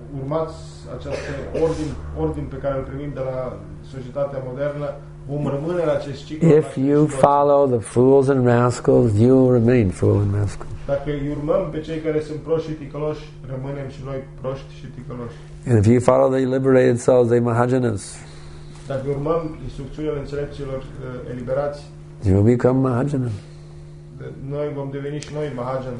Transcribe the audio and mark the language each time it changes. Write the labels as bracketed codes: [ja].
[ro] transformați acest ordin pe care îl primim de la societatea modernă, vom rămâne în acest ciclu. [en] If you follow the fools and rascals, you will remain fool and rascal. [ro] Dacă îi urmăm pe cei care sunt proști și ticăloși, rămânem și noi proști și ticăloși. [en] And if you follow the liberated souls, they mahajanas. [ro] Dacă urmăm instrucțiunile înțelepților eliberați, [en] you will become mahajanas. [ro] Noi vom deveni și noi mahajanas.